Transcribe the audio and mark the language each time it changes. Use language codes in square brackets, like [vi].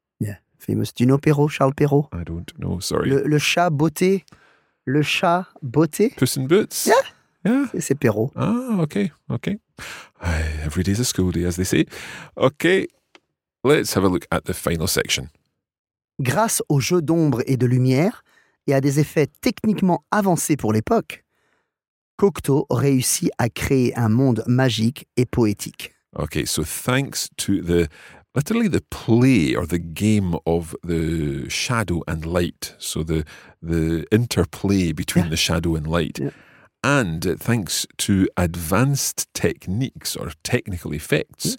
[en] Yeah, famous. Do you know Perrault, Charles Perrault? I don't know, sorry. [fr] Le chat beauté. Le chat beauté. [en] Puss in Boots? Yeah. Yeah. [fr] C'est Perrault. [en] Ah, okay. Every day's a school day, as they say. Okay, let's have a look at the final section. [fr] Grâce au jeu d'ombre et de lumière, et à des effets techniquement avancés pour l'époque, Cocteau réussit à créer un monde magique et poétique. [en] Okay, so thanks to the, literally the play or the game of the shadow and light, so the interplay between the shadow and light, and thanks to advanced techniques or technical effects,